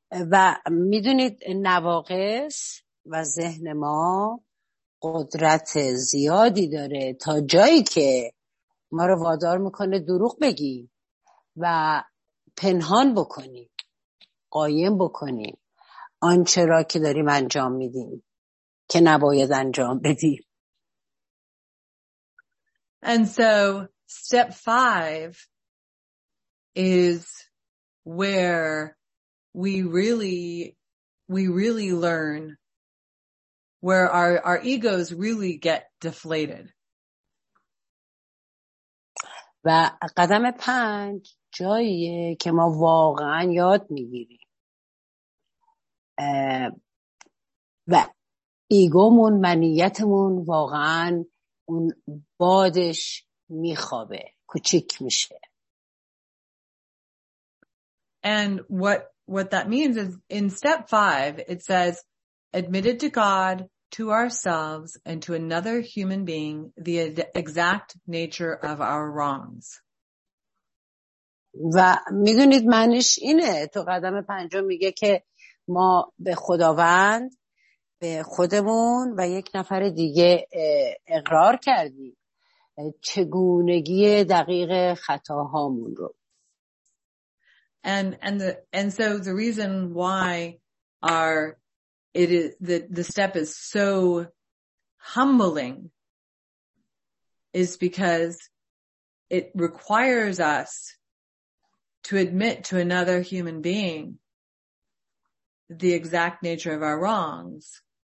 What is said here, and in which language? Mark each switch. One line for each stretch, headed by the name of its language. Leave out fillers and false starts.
Persian: و میدونید، نواقص و ذهن ما قدرت زیادی داره تا جایی که ما رو وادار میکنه دروغ بگیم و پنهان بکنیم، قایم بکنیم آنچه را که داریم انجام میدیم که نباید انجام بدیم.
English: And so step 5 is where we really learn, where our egos really get deflated.
Persian: و قدم پنج جاییه که ما واقعا یاد میگیریم و ایگومون منیتمون واقعا اون بادش میخوابه کوچیک میشه.
English: And what that means is in step 5 it says admitted to God, to ourselves, and to another human being the exact nature of our wrongs.
Persian: و میدونید معنیش اینه، تو قدم پنجم میگه که ما به خداوند، به خودمون و یک نفر دیگه اقرار کردیم چگونگی دقیق خطاهامون رو.
English: And so the reason why the step is so humbling is because it requires us to admit to another human being the exact nature of our wrongs.